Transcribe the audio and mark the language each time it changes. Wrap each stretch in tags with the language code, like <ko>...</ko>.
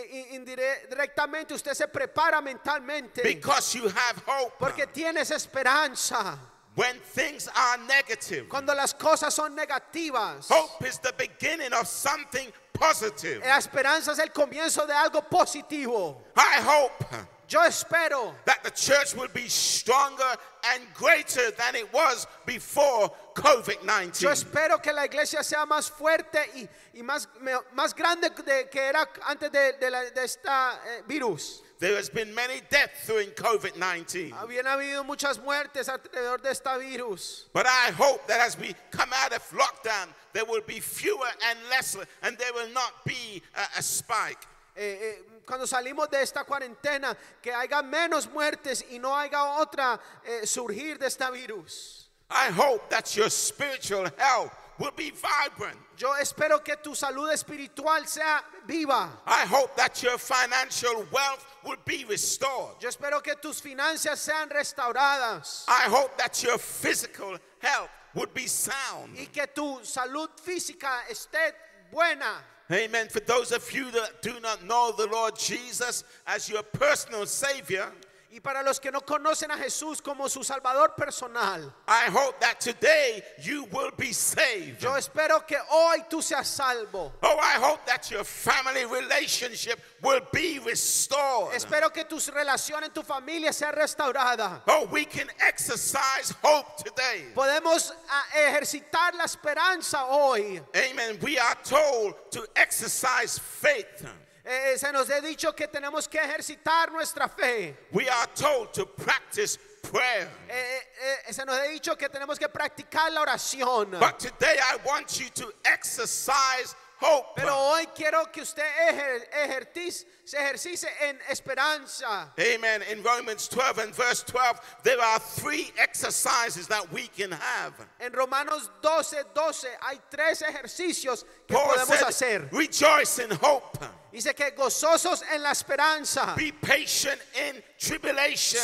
<es>Indirectamente, usted se prepara mentalmente.</es> <en>Because you have hope.</en> <es>Porque tienes esperanza.</es> <en>When things are negative.</en> <es>Cuando las cosas son negativas.</es> <en>Hope is the beginning of something positive.</en> <es>La esperanza es el comienzo de algo positivo.</es> <en>I hope.</en> <es>Yo espero</es> <en>that the church will be stronger and greater than it was before COVID-19.</en> <es>Yo espero que la iglesia sea más fuerte y más grande de que era antes de esta virus.</es> <en>There has been many deaths during COVID-19.</en> <es>Habían habido muchas muertes alrededor de esta virus.</es> <en>But I hope that as we come out of lockdown, there will be fewer and lesser, and there will not be a spike.</en> <es>Cuando salimos de esta cuarentena, que haya menos muertes y no haya otra surgir de esta virus.</es> <en>I hope that your spiritual health will be vibrant.</en> <es>Yo espero que tu salud espiritual sea viva.</es> <en>I hope that your financial wealth will be restored.</en> <es>Yo espero que tus finanzas sean restauradas.</es> <en>I hope that your physical health would be sound.</en> <es>Y que tu salud física esté buena.</es> <en>Amen. For those of you that do not know the Lord Jesus as your personal Savior,</en> <es>y para los que no conocen a Jesús como su Salvador personal,</es> <en>I hope that today you will be saved.</en> <es>Yo espero que hoy tú seas salvo.</es> <en>Oh, I hope that your family relationship will be restored.</en> <es>Espero que tus relaciones en tu familia sea restaurada.</es> <en>Oh, we can exercise hope today.</en> <es>Podemos ejercitar la esperanza hoy.</es> <en>Amen. We are told to exercise faith.</en> <es>Se nos ha dicho que tenemos que ejercitar nuestra fe.</es> <en>We are told to practice prayer.</en> <es>Se nos ha dicho que tenemos que practicar la oración.</es> <en>But today I want you to exercise hope.</en> <es>Pero hoy quiero que usted ejercice en esperanza.</es> <en>Amen. In Romans 12 and verse 12, there are three exercises that we can have.</en> <es>En Romanos 12:12 hay tres ejercicios que</es> <en>Paul</en> <es>podemos</es> <en>said,</en> <es>hacer.</es> <en>Rejoice in hope.</en> <es>Dice que gozosos en la esperanza.</es> <en>Be patient in tribulation.</en>